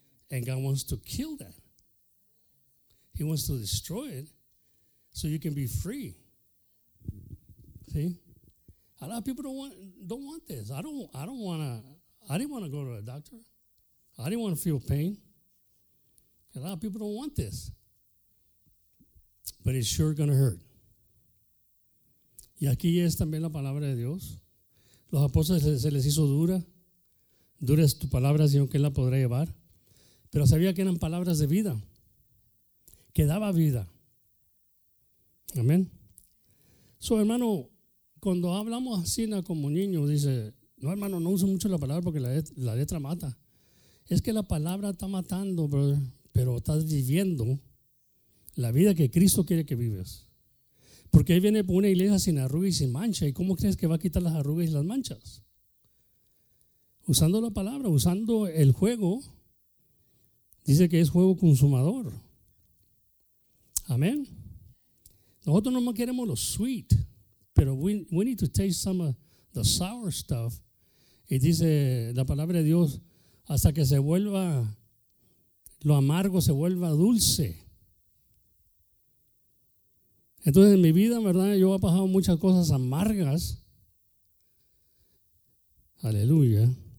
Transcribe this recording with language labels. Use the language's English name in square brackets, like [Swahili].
[English] And God wants to kill that. He wants to destroy it so you can be free. See? A lot of people don't want this. I didn't want to go to a doctor. I didn't want to feel pain. A lot of people don't want this. But it's sure going to hurt. [Spanish] Y aquí es también la palabra de Dios. Los apóstoles se les hizo dura. Dura es tu palabra, Señor, ¿quién la podrá llevar? Pero sabía que eran palabras de vida. Que daba vida. Amén. So, hermano, cuando hablamos así como niños, dice, no, hermano, no uso mucho la palabra porque la letra mata. Es que la palabra está matando, brother, pero estás viviendo la vida que Cristo quiere que vives. Porque Él viene por una iglesia sin arrugas y sin mancha. ¿Y cómo crees que va a quitar las arrugas y las manchas? Usando la palabra, usando el juego. Dice que es juego consumador. Amén. Nosotros no más queremos lo sweet. [English] Pero we need to taste some of the sour stuff. [Spanish] Y dice la palabra de Dios, hasta que se vuelva lo amargo, se vuelva dulce. Entonces en mi vida, ¿verdad?, yo he pasado muchas cosas amargas. Aleluya.